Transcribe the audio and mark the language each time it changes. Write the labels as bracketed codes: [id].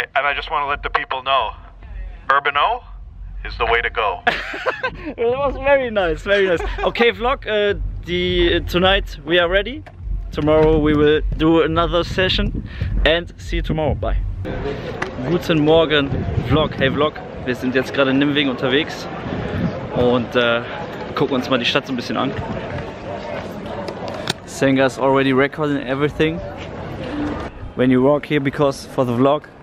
[en] And I just want to let the people know, Urban O is the way to go. It was very nice, very nice. Okay, vlog, tonight we are ready. Tomorrow we will do another session and see you tomorrow. Bye. [de] Guten Morgen, Vlog. Hey Vlog, wir sind jetzt gerade in Nimwegen unterwegs und gucken uns mal die Stadt so ein bisschen an. [en] Sanga is already recording everything when you walk here because for the vlog.